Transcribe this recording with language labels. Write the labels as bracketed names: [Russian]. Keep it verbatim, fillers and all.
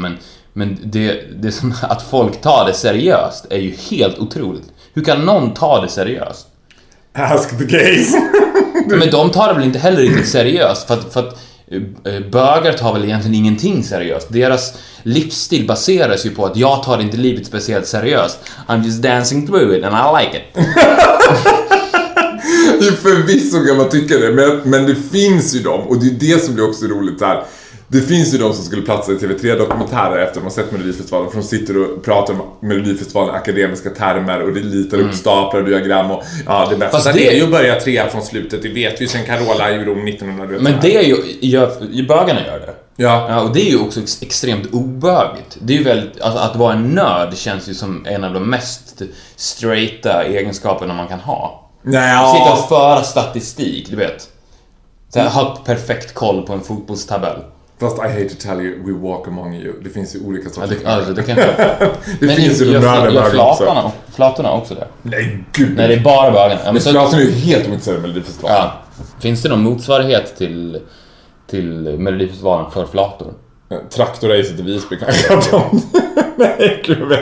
[Swedish] Men, men det, det som att folk tar det seriöst är ju helt otroligt. Hur kan någon ta det seriöst? [English] Ask the gays. [Swedish] Men de tar det väl inte heller riktigt seriöst. För att, för att bögar tar väl egentligen ingenting seriöst. Deras livsstil baseras ju på att jag tar inte livet speciellt seriöst. [English] I'm just dancing through it and I like it. [Swedish] Förvisso kan man tycka det, men, men det finns ju dem. Och det är det som blir också roligt här. Det finns ju de som skulle platsa i T V tre-dokumentärer efter att de har sett Melodifestivalen, för de sitter och pratar om Melodifestivalen i akademiska termer, och det litar upp staplar och diagram och ja, det bästa det... det är ju att börja trea från slutet, det vet vi sen Carola i Rom nittonhundra. Men det är ju, gör, bögarna gör det. Ja. Ja, och det är ju också ex- extremt obögigt. Det är ju väldigt, alltså, att vara en nörd känns ju som en av de mest straighta egenskaperna man kan ha. Nja. Sitta och föra statistik, du vet. Så här, ha perfekt koll på en fotbollstabell. Fast [English] I hate to tell you, we walk among you. [Swedish] Det finns ju olika sorters. Ja, det, alltså, det kan det. Det men finns ju de nörda flatorna, flatorna också där. Nej, gud. Nej, det är bara bögarna. Ja, men så flatorna är ju helt om inte säger Melodifestivalen. Ja. Finns det någon motsvarighet till, till Melodifestivalen för flator? Traktorracet i Visby kanske. Nej, gud.